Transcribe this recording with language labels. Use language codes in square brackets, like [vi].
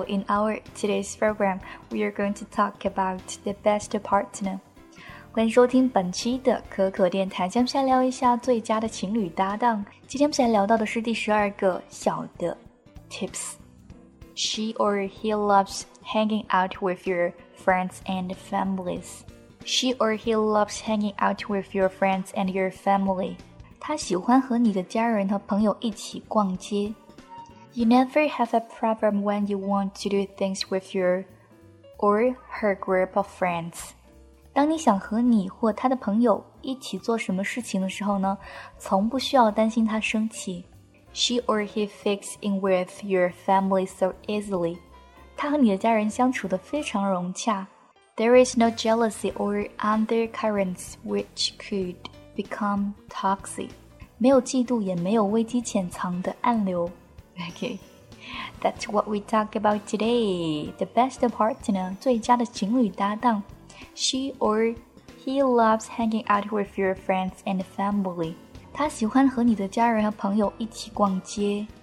[en] In our today's program, we are going to talk about the best partner. [zh] 欢迎收听本期的可可电台，接下来聊一下最佳的情侣搭档。今天我们来聊到的是第12个小的 tips. [en] She or he loves hanging out with your friends and families. She or he loves hanging out with your friends and your family. [zh] 他喜欢和你的家人和朋友一起逛街。 [en] You never have a problem when you want to do things with your or her group of friends. [zh] 当你想和你或他的朋友一起做什么事情的时候呢，从不需要担心他生气。 [en] She or he fits in with your family so easily. [zh] 他和你的家人相处得非常融洽。 [en] There is no jealousy or undercurrents which could become toxic. [zh] 没有嫉妒，也没有危机潜藏的暗流。 [en] Okay, that's what we talk about today. The best partner, [zh] 最佳的情侣搭档。 [en] She or he loves hanging out with your friends and family. [zh] 他喜欢和你的家人和朋友一起逛街。